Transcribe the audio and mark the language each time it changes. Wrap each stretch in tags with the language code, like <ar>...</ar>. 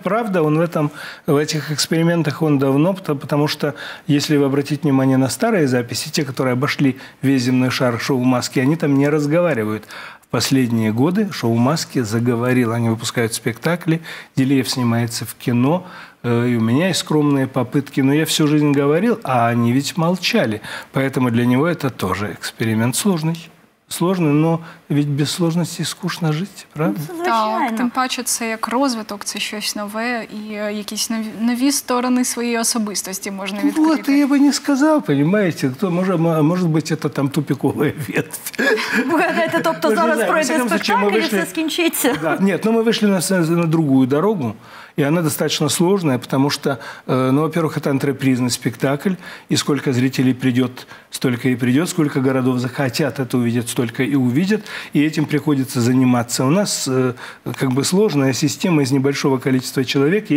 <ru>Правда, он в этих экспериментах он давно, потому что, если вы обратите внимание на старые записи, те, которые обошли весь земной шар шоу «Маски», они там не разговаривают. Последние годы шоу «Маски» заговорил. Они выпускают спектакли, Делиев снимается в кино. И у меня есть скромные попытки. Но я всю жизнь говорил, а они ведь молчали. Поэтому для него это тоже эксперимент сложный.</ru> <uk>Сложний, але від без сложності скучно жити, правда? Так, тим паче це як розвиток, це щось нове і якісь нові сторони своєї особистості можна відкрити. Вот, я би не сказав, розумієте, може бути, це там тупикова ветвь. Бухаєте, тобто зараз пройде спектакль і все скінчиться? Ні, ми вийшли на другу дорогу.</uk> <ru>И она достаточно сложная, потому что, во-первых, это антрепризный спектакль, и сколько зрителей придет, столько и придет, сколько городов захотят это увидеть, столько и увидят, и этим приходится заниматься. У нас как бы сложная система из небольшого количества человек.</ru>